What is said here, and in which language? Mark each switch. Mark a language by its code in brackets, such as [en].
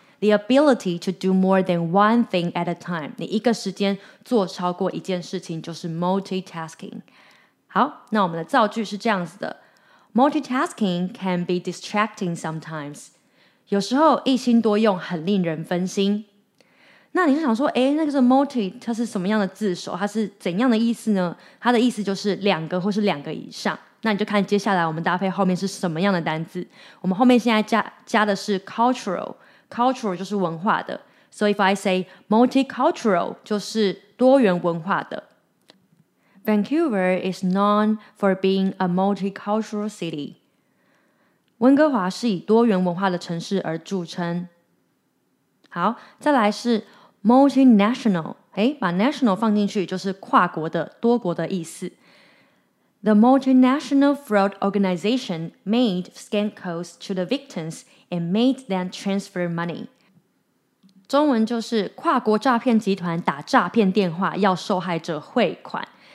[en] The ability to do more than one thing at a time. [zh] 你一个时间做超过一件事情就是 multitasking. 好，那我们的造句是这样子的。 [en] Multitasking can be distracting sometimes. [zh] 有时候一心多用很令人分心。那你就想说，哎，那个是 multi， 它是什么样的字首？它是怎样的意思呢？它的意思就是两个或是两个以上。那你就看接下来我们搭配后面是什么样的单字。我们后面现在 加的是 cultural， cultural 就是文化的。 [en] So if I say multicultural， [zh] 就是多元文化的。 [en] Vancouver is known for being a multicultural city. [zh] 温哥华是以多元文化的城市而著称。好，再来是 multinational， 把 national 放进去就是跨国的、多国的意思。 [en] The multinational fraud organization made scam calls to the victims and made them transfer money. [zh] 中文就是跨国诈骗集团打诈骗电话要受害者汇款。